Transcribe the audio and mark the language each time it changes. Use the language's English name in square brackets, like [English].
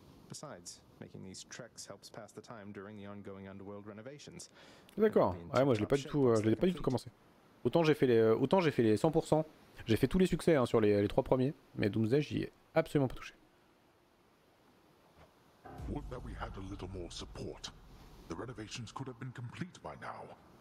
[English] Besides, making these treks helps pass the time during the ongoing underworld renovations. [French] D'accord. Ouais, moi je l'ai pas du tout, je l'ai pas du tout commencé. Autant j'ai fait les 100%. J'ai fait tous les succès hein, sur les trois premiers, mais Doomsday j'y ai absolument pas touché. [English] Would that we had a little more support. The renovations could have been complete by now.